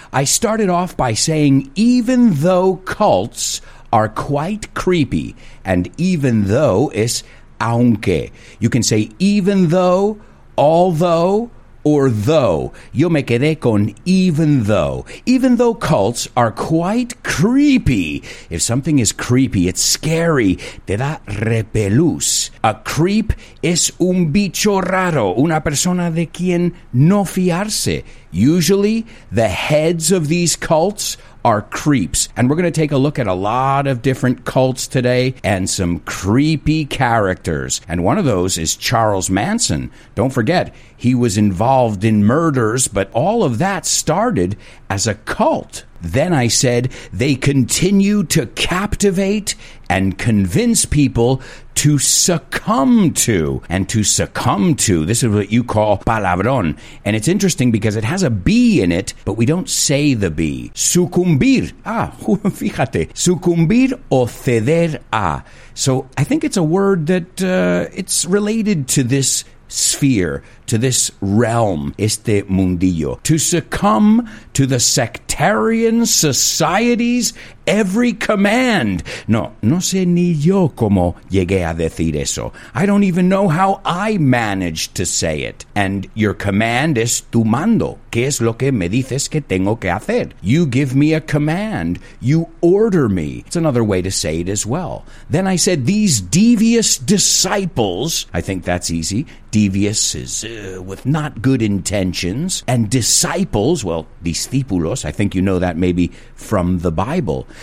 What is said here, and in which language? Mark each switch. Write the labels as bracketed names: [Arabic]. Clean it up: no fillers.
[English] I started off by saying, even though cults are quite creepy, and even though is aunque. You can say even though, although, or though. [Spanish] Yo me quedé con [English] even though. Even though cults are quite creepy. If something is creepy, it's scary. [Spanish] Te da repelús. A creep es un bicho raro. Una persona de quien no fiarse. [English] Usually, the heads of these cults are creeps. And we're going to take a look at a lot of different cults today and some creepy characters. And one of those is Charles Manson. Don't forget, he was involved in murders, but all of that started as a cult. Then I said they continue to captivate and convince people to succumb to. And to succumb to, this is what you call palabrón. And it's interesting because it has a B in it, but we don't say the B. Sucumbir. [Spanish] Fíjate. Sucumbir o ceder a. [English] So I think it's a word that it's related to this sphere, to this realm, [Spanish] este mundillo. [English] To succumb to the sectarian society's every command. [Spanish] No sé ni yo cómo llegué a decir eso. [English] I don't even know how I managed to say it. And your command is [Spanish] tu mando. ¿Qué es lo que me dices que tengo que hacer? [English] You give me a command. You order me. It's another way to say it as well. Then I said, these devious disciples, I think that's easy. Devious is with not good intentions. And disciples, well, discípulos, I think you know that maybe from the Bible.